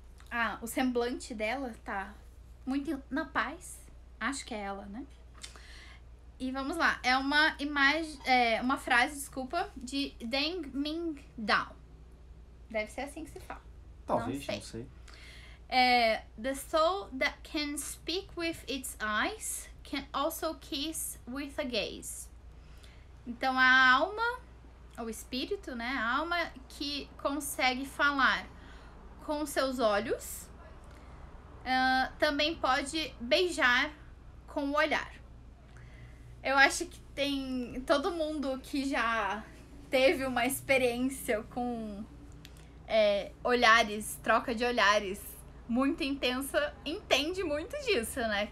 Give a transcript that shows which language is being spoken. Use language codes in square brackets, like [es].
[pt] Ah, o semblante dela tá muito na paz. Acho que é ela, né? E vamos lá. É uma imagem, uma frase, desculpa, de Deng Ming Dao. Deve ser assim que se fala. Talvez, não sei. [en] The soul that can speak with its eyes can also kiss with a gaze. [pt] Então, a alma, o espírito, né? A alma que consegue falar com seus olhos, também pode beijar com o olhar. Eu acho que tem todo mundo que já teve uma experiência com olhares, troca de olhares muito intensa, entende muito disso, né?